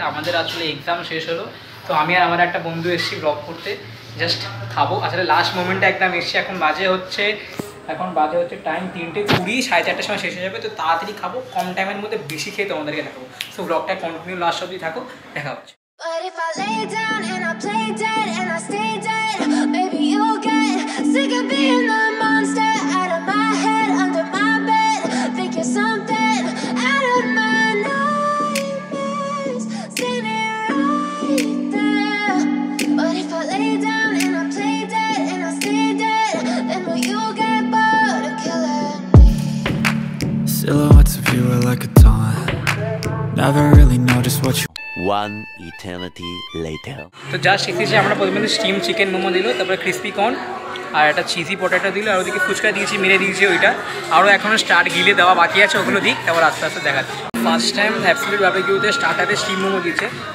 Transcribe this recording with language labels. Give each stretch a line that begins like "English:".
Bangla: আমাদের আসলে এক্সাম শেষ হলো, তো আমি আর আমার একটা বন্ধু এসেছি ব্লগ করতে, জাস্ট খাবো। আসলে লাস্ট মোমেন্টে একদম এসেছি, এখন বাজে হচ্ছে টাইম 3:20, 4:30 সময় শেষ হয়ে যাবে, তো তাড়াতাড়ি খাবো। কম টাইমের মধ্যে বেশি খেয়ে তোমাদেরকে দেখাবো, তো ব্লগটা কন্টিনিউ লাস্ট অবধি থাকো, দেখা হচ্ছে।
English: But if I lay down and I play dead and I stay dead, maybe you'll get sick of being the monster out of my head, under my bed. Think you're something out of my nightmares, standing right there. But if I lay down and I play dead and I stay dead, then will you get bored of killing me? Silhouettes of you are like a taunt, never really know just what you. One eternity later.
Bangla: তো just শিখেছি আমরা, প্রথমে steam chicken momo দিল, তারপরে crispy corn আর একটা cheesy potato দিল, আর ওদিকে ফুচকা দিয়েছি, মেরে দিয়েছি ওইটা। আরও এখনও স্টার্ট গিলে দেওয়া বাকি আছে, ওগুলো দিক, তারপর আস্তে আস্তে দেখাচ্ছি। First time absolute বারবিকিউতে স্টার্টারে steam momo দিয়েছে।